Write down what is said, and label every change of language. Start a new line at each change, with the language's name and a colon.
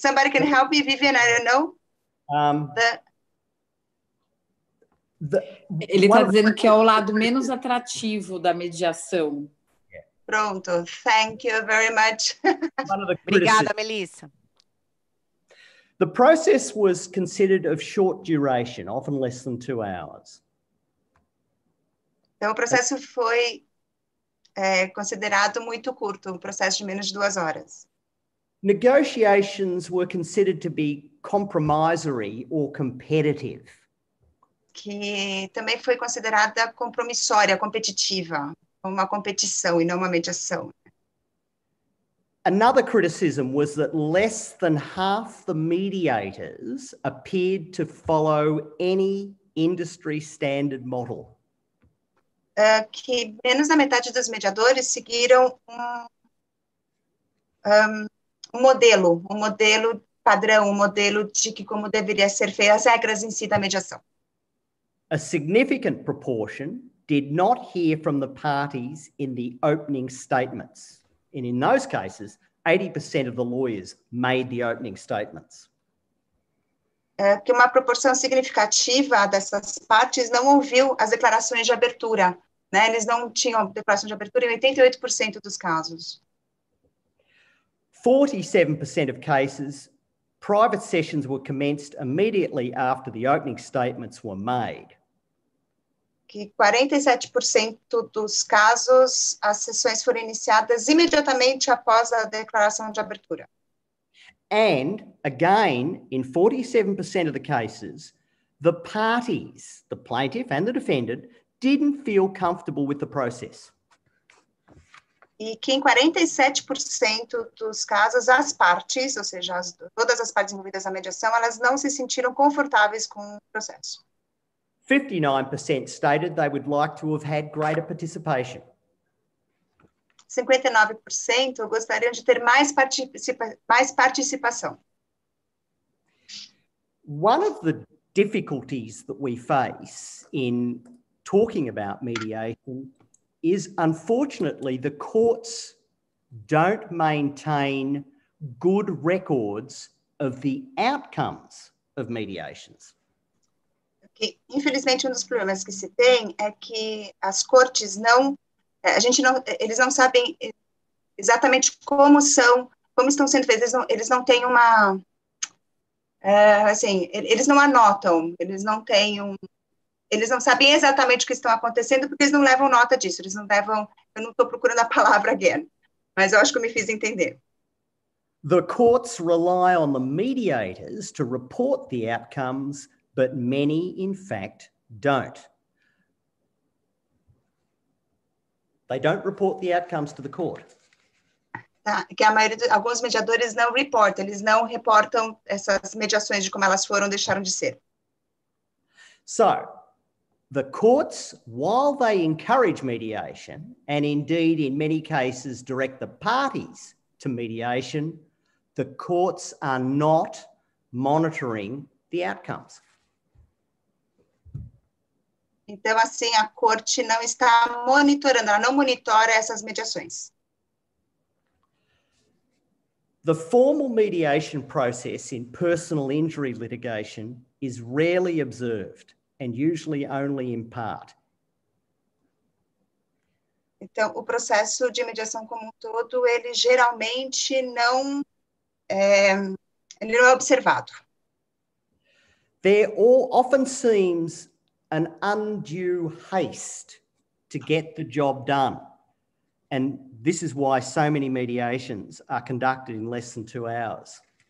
English: Somebody can help me, Vivian, I don't know.
Portuguese: Ele está dizendo que é o lado menos atrativo da mediação.
English: Pronto, thank you very much.
Portuguese: Obrigada, Melissa.
English: The process was considered of short duration, often less than 2 hours.
Portuguese: Então, o processo foi considerado muito curto, um processo de menos de 2 horas.
English: Negotiations were considered to be compromissory or competitive.
Portuguese: Que também foi considerada compromissória, competitiva, uma competição e não uma mediação.
English: Another criticism was that less than half the mediators appeared to follow any industry standard model.
Portuguese: Que menos da metade dos mediadores seguiram um modelo padrão, um modelo de que como deveria ser feita as regras em si da mediação.
English: A significant proportion did not hear from the parties in the opening statements. And in those cases, 80% of the lawyers made the opening statements.
Portuguese: Que uma proporção significativa dessas partes não ouviu as declarações de abertura, né? Eles não tinham declaração de abertura em 88% dos casos.
English: 47% of cases, private sessions were commenced immediately after the opening statements were made.
Portuguese: Que 47% dos casos, as sessões foram iniciadas imediatamente após a declaração de abertura.
English: And, again, in 47% of the cases, the parties, the plaintiff and the defendant, didn't feel comfortable with the process.
Portuguese: E que em 47% dos casos, as partes, ou seja, todas as partes envolvidas na mediação, elas não se sentiram confortáveis com o processo.
English: 59% stated they would like to have had greater participation.
Portuguese: 59% gostariam de ter mais participação.
English: One of the difficulties that we face in talking about mediation is, unfortunately, the courts don't maintain good records of the outcomes of mediations.
Portuguese: Infelizmente, um dos problemas que se tem é que as cortes não, a gente não, eles não sabem exatamente como são, como estão sendo feitas, eles não sabem exatamente o que estão acontecendo porque eles não levam nota disso, eu não estou procurando a palavra again, mas eu acho que eu me fiz entender.
English: The courts rely on the mediators to report the outcomes, but many, in fact, don't. They don't report the outcomes to the court.
Portuguese: Que a maioria, alguns mediadores não reportam, eles não reportam essas mediações de como elas foram, deixaram de ser.
English: So, the courts, while they encourage mediation, and indeed in many cases direct the parties to mediation, the courts are not monitoring the outcomes.
Portuguese: Então, assim, a corte não está monitorando, ela não monitora essas mediações.
English: The formal mediation process in personal injury litigation is rarely observed and usually only in part.
Portuguese: Então, o processo de mediação como um todo, ele geralmente não é observado.
English: There all often seems an undue haste to get the job done. And this is why so many mediations are conducted in less than 2 hours.